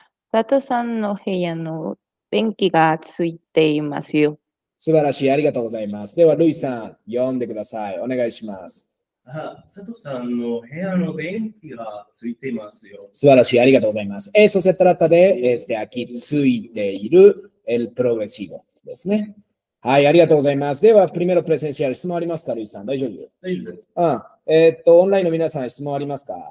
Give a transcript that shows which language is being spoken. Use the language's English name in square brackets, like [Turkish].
[Japanese] 佐藤さんの部屋の電気がついていますよ。素晴らしい、ありがとうございます。では、ルイさん、読んでください。お願いします。佐藤さんの部屋の電気がついていますよ。素晴らしい、ありがとうございます。 [Spanish] Eso se trata de, aquí [Japanese] ついている、 [Spanish] el progresivo ですね。 [Japanese] はい、ありがとうございます。では、 [Spanish] プリメロプレセンシャル、 [Japanese] 質問ありますか、ルイさん、大丈夫？大丈夫です。オンラインの皆さん、質問ありますか？